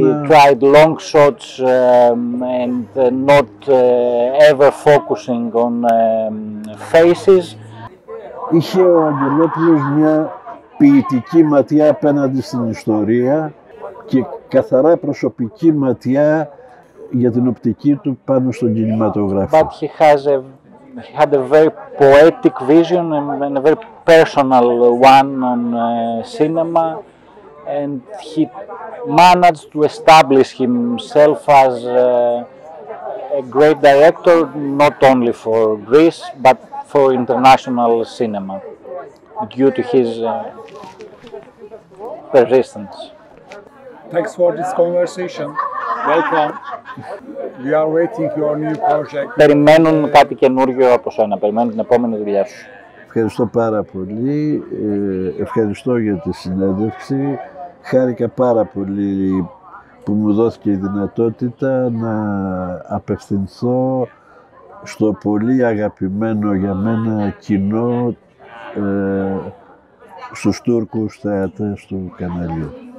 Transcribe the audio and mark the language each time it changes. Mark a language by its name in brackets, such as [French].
[English] tried long shots and not ever focusing on faces. [Greek] Είχε ο Αγγελόπουλος μια ποιητική ματιά απέναντι στην ιστορία και καθαρά προσωπική ματιά για την οπτική του πάνω στον κινηματογράφο. [English] But he had a very poetic vision and a very personal one on cinema. And he managed to establish himself as a great director, not only for Greece, but for international cinema, due to his persistence. Thanks for this conversation. Welcome. We are waiting your new project. [Greek] Περιμένουν κάτι καινούργιο από σένα, περιμένουν την επόμενη δουλειά σου. Ευχαριστώ πάρα πολύ. Ευχαριστώ για τη συνέντευξη. Χάρηκα πάρα πολύ που μου δόθηκε η δυνατότητα να απευθυνθώ στο πολύ αγαπημένο για μένα κοινό, στους Τούρκους θεατές του καναλιού.